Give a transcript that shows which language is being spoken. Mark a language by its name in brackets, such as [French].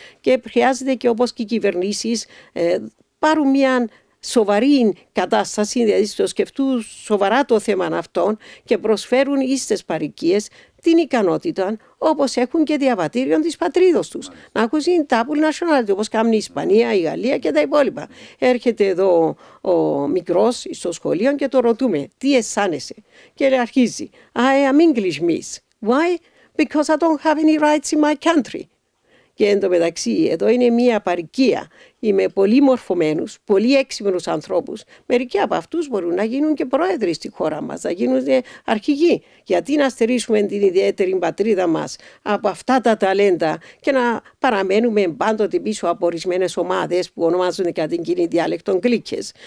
[Greek] Και χρειάζεται και όπως και οι κυβερνήσεις πάρουν μια σοβαρή κατάσταση, δηλαδή το σκεφτούν σοβαρά το θέμα αυτών και προσφέρουν στις παροικίες την ικανότητα, όπως έχουν και διαβατήριο της πατρίδος τους. Να έχουν στην Double Nationality, όπως κάνουν η Ισπανία, η Γαλλία και τα υπόλοιπα. Έρχεται εδώ ο μικρός στο σχολείο και το ρωτούμε, τι αισθάνεσαι. Και λέει, αρχίζει, [English] I am English, miss. Why? Because I don't have any rights in my country. [Greek] Και εντωμεταξύ, εδώ είναι μια παροικία. Είμαι πολύ μορφωμένους, πολύ έξυπνους ανθρώπους. Μερικοί από αυτούς μπορούν να γίνουν και πρόεδροι στη χώρα μας, να γίνουν αρχηγοί. Γιατί να στηρίσουμε την ιδιαίτερη πατρίδα μας από αυτά τα ταλέντα και να παραμένουμε πάντοτε πίσω από ορισμένες ομάδες που ονομάζονται κατά την κοινή διάλεκτον κλίκες.